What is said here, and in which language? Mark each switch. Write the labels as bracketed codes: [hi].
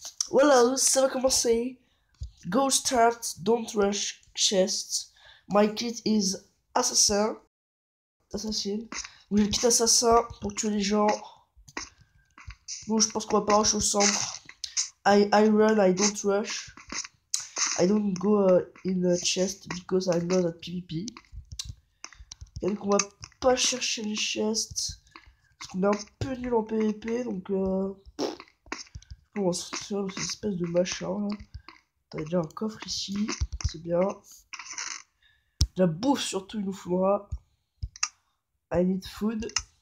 [fr] Voilà, ça va commencer. [en] Go start, don't rush chest. My kit is assassin. Assassin. [fr] Oui, le kit assassin pour tuer les gens. Bon, je pense qu'on va pas rush au centre. [en] I run, I don't rush. I don't go in the chest because I'm not at PvP. [fr] Et donc, on va pas chercher les chests. Parce qu'on est un peu nul en PvP. Donc, on va sortir dans cette espèce de machin. Là. T'as déjà un coffre ici. C'est bien. De la bouffe, surtout, il nous faudra. [en] I need food.